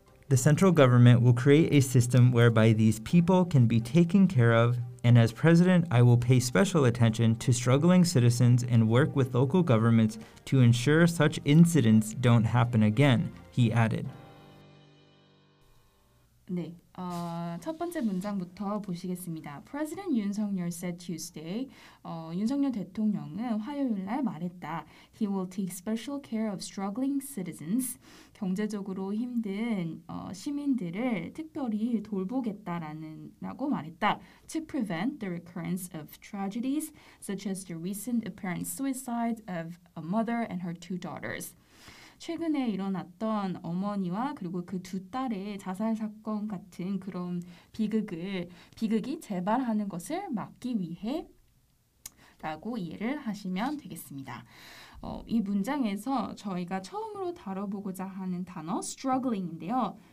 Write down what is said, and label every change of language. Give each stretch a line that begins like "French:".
English: The central government will create a system whereby these people can be taken care of, and as president, I will pay special attention to struggling citizens and work with local governments to ensure such incidents don't happen again, he added.
Korean: 네, 첫 번째 문장부터 보시겠습니다.
English: President 윤석열 said Tuesday,
Korean: 윤석열 대통령은 화요일 날 말했다.
English: He will take special care of struggling citizens.
Korean: 경제적으로 힘든 시민들을 특별히 돌보겠다라고 말했다.
English: To prevent the recurrence of tragedies, such as the recent apparent suicide of a mother and her two daughters.
Korean: 최근에 일어났던 어머니와 그리고 그 두 딸의 자살 사건 같은 그런 비극이 재발하는 것을 막기 위해 라고 이해를 하시면 되겠습니다. 이 문장에서 저희가 처음으로 다뤄보고자 하는 단어 struggling인데요.